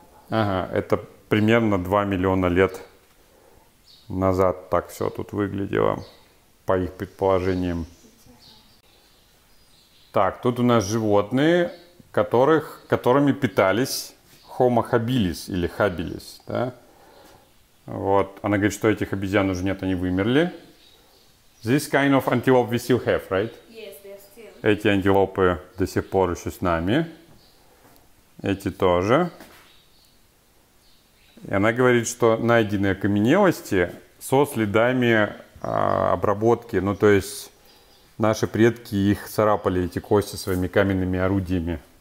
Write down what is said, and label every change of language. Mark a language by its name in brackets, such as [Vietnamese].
[Russian] Ага, это примерно 2 миллиона лет назад так все тут выглядело, по их предположениям. Так, тут у нас животные, которыми питались Homo habilis или habilis, да? Вот, она говорит, что этих обезьян уже нет, они вымерли. [English] This kind of antelope we still have, right? Yes, they are still. [Russian] Эти антилопы до сих пор еще с нами. Эти тоже. И она говорит, что найдены окаменелости со следами обработки. Ну, то есть наши предки их царапали, эти кости, своими каменными орудиями.